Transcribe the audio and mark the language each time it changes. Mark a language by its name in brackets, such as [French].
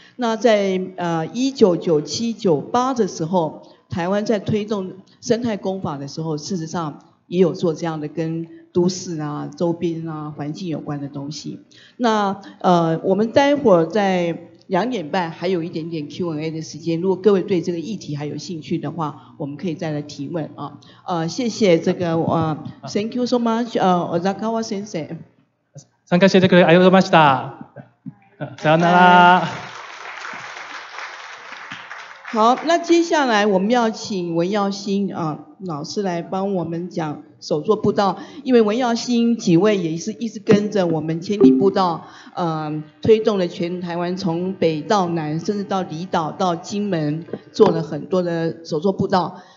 [Chinese] 那在1997-98的时候，台湾在推动生态工法的时候，事实上也有做这样的跟都市啊、周边啊、环境有关的东西。那我们待会儿在2:30还有一点点 Q&A 的时间，如果各位对这个议题还有兴趣的话，我们可以再来提问啊。谢谢这个 [English] Thank you so much, 小沢先生。 [Japanese] 参加してくれありがとうございました。さよなら。 [Chinese] 好，那接下来我们要请文耀新老师来帮我们讲手作步道，因为文耀新几位也是一直跟着我们千里步道，推动了全台湾从北到南，甚至到离岛到金门，做了很多的手作步道。